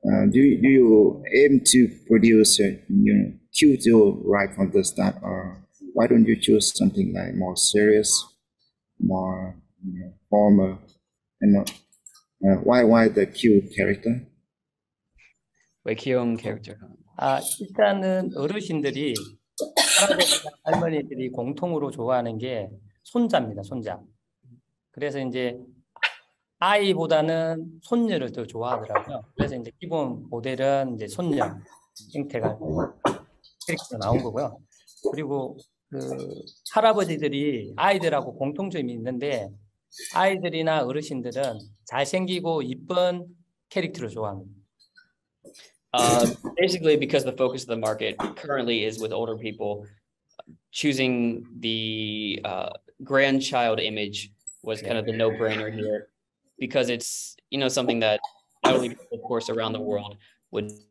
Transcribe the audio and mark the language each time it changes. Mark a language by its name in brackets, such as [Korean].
[English] Do you aim to produce a cute doll right from the start, or why don't you choose something like more serious, more formal, and not, why the cute character? [Korean] 왜 귀여운 캐릭터? 아, 일단은 어르신들이 할아버지, 할머니들이 공통으로 좋아하는 게 손자입니다. 손자. 그래서 이제 아이보다는 손녀를 더 좋아하더라고요. 그래서 이제 기본 모델은 이제 손녀 형태가 캐릭터로 나온 거고요. 그리고 그 할아버지들이 아이들하고 공통점이 있는데 아이들이나 어르신들은 잘생기고 이쁜 캐릭터를 좋아합니다. [English] Basically, because the focus of the market currently is with older people, choosing the grandchild image was kind of the no-brainer here, because it's something that elderly people, of course, around the world would